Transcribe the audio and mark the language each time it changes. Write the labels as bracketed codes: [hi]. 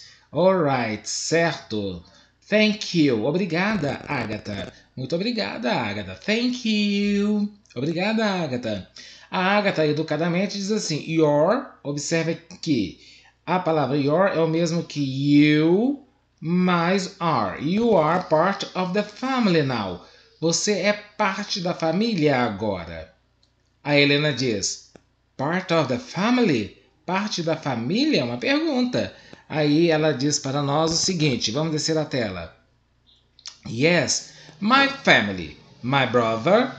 [en] All right, [pt] certo. [en] Thank you, [pt] obrigada, [en] Agatha. [pt] Muito obrigada, Agatha. [en] Thank you, [pt] obrigada, Agatha. A Agatha educadamente diz assim: Your, observe que a palavra your é o mesmo que you mais are. [en] You are part of the family now. [pt] Você é parte da família agora. A Helena diz: [en] Part of the family? [pt] Parte da família? É uma pergunta. Aí ela diz para nós o seguinte: vamos descer a tela. [en] Yes, my family. My brother.